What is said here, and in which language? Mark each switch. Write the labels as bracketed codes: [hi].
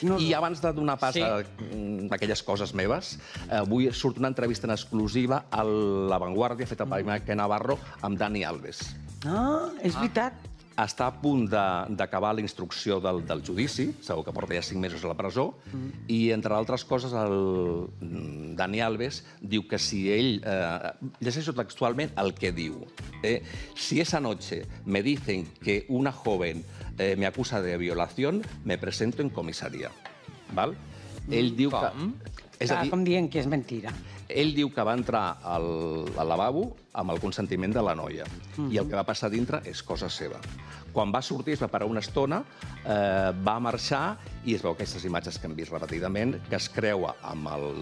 [ca] I abans de donar pas a aquelles coses meves, avui surt una entrevista en exclusiva al La Vanguardia, feta per Maike Navarro, amb Dani Alves. És veritat. Està a punt d'acabar la instrucció del judici, segur que porta ja 5 mesos a la presó, i, entre altres coses, el Dani Alves diu que si ell... llegeixo textualment el que diu. [es] Si esa noche me dicen que una joven me acusa de violación, me presento en comisaría. [ca] Val? Ell diu com? Que... És a dir, com dient que és mentira. Ell diu que va entrar al lavabo amb el consentiment de la noia. I el que va passar dintre és cosa seva. Quan va sortir, es va parar una estona, va marxar, i es veu aquestes imatges que hem vist repetidament, que es creua amb el...